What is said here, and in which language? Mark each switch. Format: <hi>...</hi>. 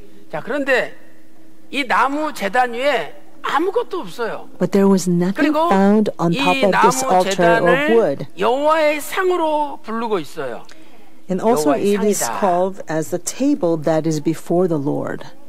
<ko>자, 그런데 이 나무 제단 위에 아무것도 없어요.</ko> <en>But there was nothing found on top of this altar of wood.</en> <ko>여호와의 상으로 부르고 있어요.</ko> <en>And also it is called as the table that is before the Lord.</en>